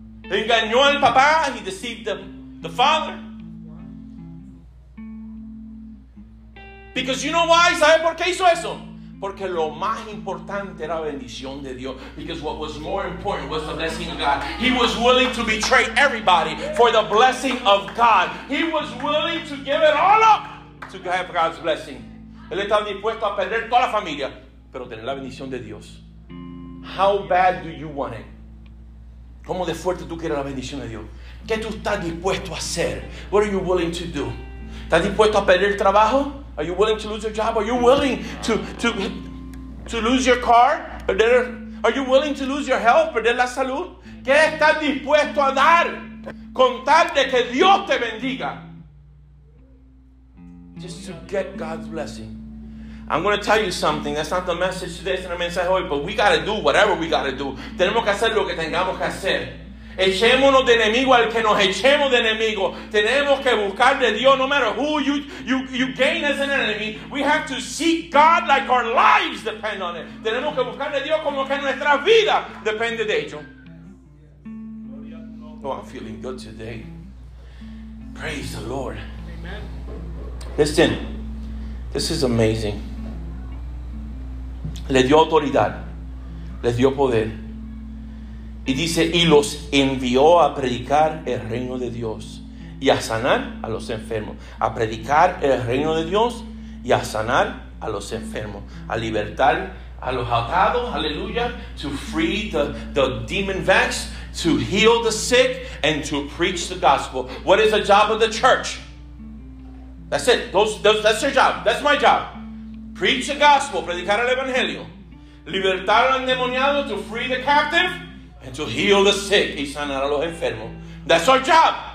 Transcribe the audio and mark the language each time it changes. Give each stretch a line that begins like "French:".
English: Huh?
Spanish: Engañó al papá.
English: He deceived the father. Because you know why?
Spanish: ¿Sabes por qué hizo eso? Porque lo más importante era la bendición de Dios.
English: Because what was more important was the blessing of God. He was willing to betray everybody for the blessing of God. He was willing to give it all up to have God's blessing.
Spanish: Él estaba dispuesto a perder toda la familia, pero tener la bendición de Dios.
English: How bad do you want it?
Spanish: ¿Cómo de fuerte tú quieres la bendición de Dios? ¿Qué tú estás dispuesto a hacer?
English: What are you willing to do?
Spanish: ¿Estás dispuesto a perder el trabajo?
English: Are you willing to lose your job? Are you willing to lose your car? Are you willing to lose your health?
Spanish: ¿Perder la salud? ¿Qué estás dispuesto a dar con tal de que Dios te bendiga?
English: Just to get God's blessing. I'm going to tell you something. That's not the message today. It's not a mensaje hoy. But we got to do whatever we got to do.
Spanish: Tenemos que hacer lo que tengamos que hacer. Echémonos de enemigo al que nos echemos de enemigo. Tenemos que buscar de Dios.
English: No matter who you gain as an enemy, we have to seek God like our lives depend on it.
Spanish: Tenemos que buscar de Dios como que nuestra vida depende de ello.
English: Oh, I'm feeling good today. Praise the Lord. Amen. Listen, this is amazing.
Spanish: Le dio autoridad. Le dio poder. Y dice, y los envió a predicar el reino de Dios y a sanar a los enfermos. A predicar el reino de Dios y a sanar a los enfermos. A libertar a los atados, aleluya.
English: To free the demon vexed, to heal the sick, and to preach the gospel. What is the job of the church? That's it. That's your job. That's my job. Preach the gospel,
Spanish: predicar el evangelio. Libertar al endemoniado,
English: to free the captive. And to heal the sick
Spanish: y sanar a los enfermos.
English: That's our job.